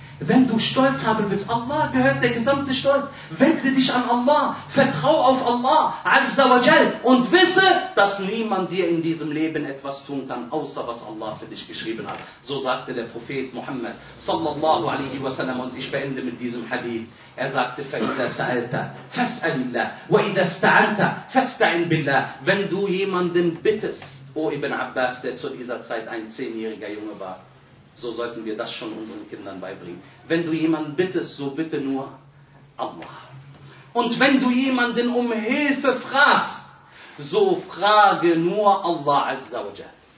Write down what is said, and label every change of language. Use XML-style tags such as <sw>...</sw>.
<de>Wenn du Stolz haben willst, Allah gehört der gesamte Stolz. Wende dich an Allah. Vertrau auf Allah.</de> <ar>Azza wa Jal.</ar> <de>Und wisse, dass niemand dir in diesem Leben etwas tun kann, außer was Allah für dich geschrieben hat. So sagte der Prophet Muhammad</de> <ar>sallallahu alaihi wa sallam.</ar> <de>Und ich beende mit diesem Hadith. Er sagte,</de> <ar>فَإِذَا سَأَلْتَ فَاسْأَلِ اللَّهِ وَإِذَا اسْتَعَنْتَ فَاسْتَعِنْ بِاللَّهِ.</ar> <de>Wenn du jemanden bittest, O Ibn Abbas, der zu dieser Zeit ein 10-jähriger Junge war, so sollten wir das schon unseren Kindern beibringen. Wenn du jemanden bittest, so bitte nur Allah. Und wenn du jemanden um Hilfe fragst, so frage nur Allah</de> <ar>Azza wa Jal.</ar>